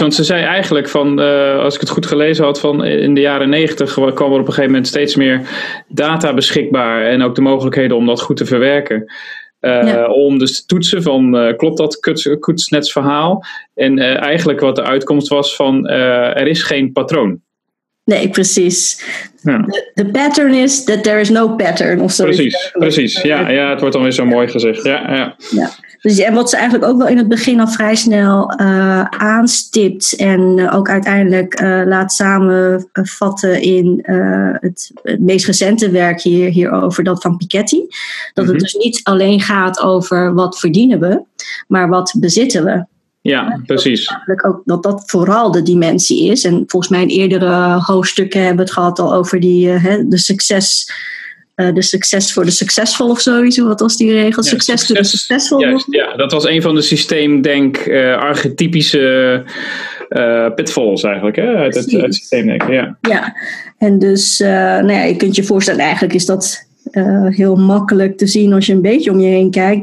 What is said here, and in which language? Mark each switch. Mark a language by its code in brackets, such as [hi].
[nl] Want ze zei eigenlijk van, als ik het goed gelezen had, van in de jaren 90 kwam er op een gegeven moment steeds meer data beschikbaar en ook de mogelijkheden om dat goed te verwerken. Om dus te toetsen van klopt dat Kuznets verhaal? En eigenlijk wat de uitkomst was van er is geen patroon. Nee, precies. Ja. [en] The pattern is that there is no pattern. [nl] Of precies, precies. Ja, het wordt dan weer zo mooi gezegd. Ja. Dus, en wat ze eigenlijk ook wel in het begin al vrij snel aanstipt en ook uiteindelijk laat samenvatten in het meest recente werk hierover, dat van Piketty. Dat het dus niet alleen gaat over wat verdienen we, maar wat bezitten we. Ja, precies. Dat vooral de dimensie is. En volgens mij in eerdere hoofdstukken hebben we het gehad al over de succes. De [en] success for the successful [nl] of zoiets. Wat was die regel? Ja, [en] success to the successful. [nl] Juist, ja, dat was een van de systeemdenk archetypische pitfalls eigenlijk. Hè? Uit systeemdenk. Ja. Ja, en dus je kunt je voorstellen, eigenlijk is dat heel makkelijk te zien als je een beetje om je heen kijkt.